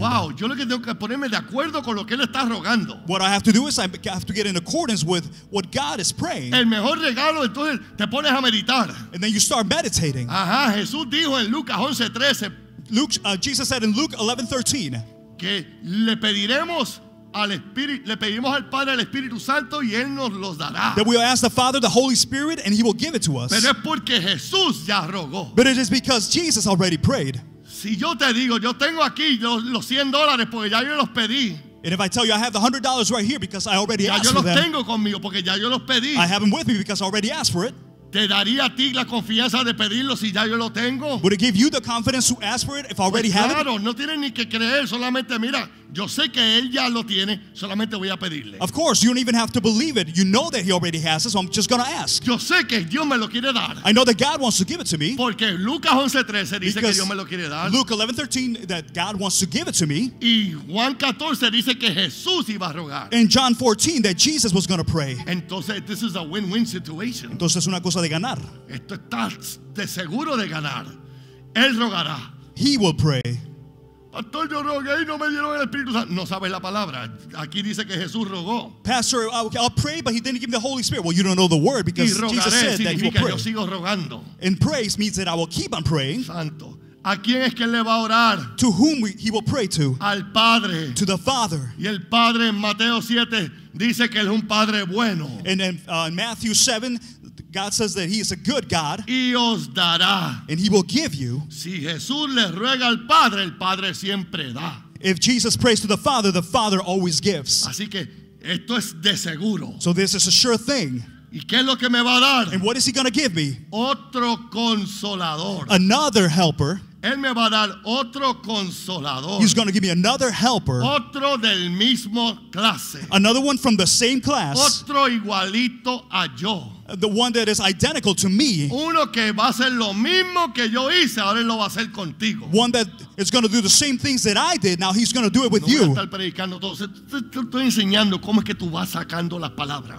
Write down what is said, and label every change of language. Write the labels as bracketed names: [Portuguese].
[Spanish] Wow, yo lo que tengo que ponerme de acuerdo con lo que él está rogando. [English] What I have to do is I have to get in accordance with what God is praying. [Spanish] El mejor regalo, entonces, te pones a meditar. [English] And then you start meditating. [Spanish] Ajá, Jesús dijo en Lucas 11:13. [English] Jesus said in Luke 11:13 [Spanish] que le pediremos al Espíritu, le pedimos al Padre al Espíritu Santo y Él nos los dará. [English] That we will ask the Father the Holy Spirit and He will give it to us. [Spanish] Pero es porque Jesús ya rogó. [English] But it is because Jesus already prayed. [Spanish] Si yo te digo, yo tengo aquí los $100 porque ya yo los pedí. [English] And if I tell you I have the $100 right here because I already asked for them. [Spanish] Ya yo los tengo conmigo porque ya yo los pedí. [English] I have them with me because I already asked for it. [Spanish] ¿Te daría a ti la confianza de pedirlo si ya yo lo tengo? [English] Would it give you the confidence to ask for it if I already [Spanish] pues claro, [English] have it? [Spanish] Claro, no tienes ni que creer, solamente mira, yo sé que él ya lo tiene, solamente voy a pedirle. [English] Of course, you don't even have to believe it. You know that he already has it, so I'm just going to ask. [Spanish] Yo sé que Dios me lo quiere dar. [English] I know that God wants to give it to me. [Spanish] Porque Lucas 11:13 dice que Dios me lo quiere dar. [English] Luke 11:13 that God wants to give it to me. [Spanish] Y Juan 14 dice que Jesús iba a rogar. [English] And John 14 that Jesus was going to pray. [Spanish] Entonces, [English] this is a win-win situation. [Spanish] Entonces es una cosa de ganar. Esto está de seguro de ganar. Él rogará. [English] He will pray. [Spanish] Pastor, yo rogué y no me dieron el Espíritu Santo. No sabes la palabra. Aquí dice que Jesús rogó. [English] Pastor, I'll pray, but he didn't give me the Holy Spirit. Well, you don't know the word because Jesus said that he will pray. [Spanish] Yo sigo rogando. [English] And praise means that I will keep on praying. [Spanish] Santo. ¿A quién es que le va a orar? [English] To whom he will pray to? [Spanish] Al Padre. [English] To the Father. [Spanish] Y el Padre en Mateo 7 dice que él es un Padre bueno. [English] And in Matthew 7, God says that he is a good God. [Spanish] Y os dará. [English] And he will give you. [Spanish] Si Jesús le ruega al Padre, el Padre siempre da. [English] If Jesus prays to the Father always gives. [Spanish] Así que esto es de seguro. [English] So this is a sure thing. [Spanish] ¿Y qué es lo que me va a dar? [English] And what is he going to give me? [Spanish] Otro consolador. [English] Another helper. [Spanish] Él me va a dar otro consolador. [English] He's going to give me another helper. [Spanish] Otro del mismo clase. [English] Another one from the same class. [Spanish] Otro igualito a yo. [English] The one that is identical to me. [Spanish] Uno que va a hacer lo mismo que yo hice, ahora él lo va a hacer contigo. [English] One that is going to do the same things that I did, now he's going to do it with you. [Spanish] No voy a estar predicando todo. Estoy enseñando cómo es que tú vas sacando las palabras.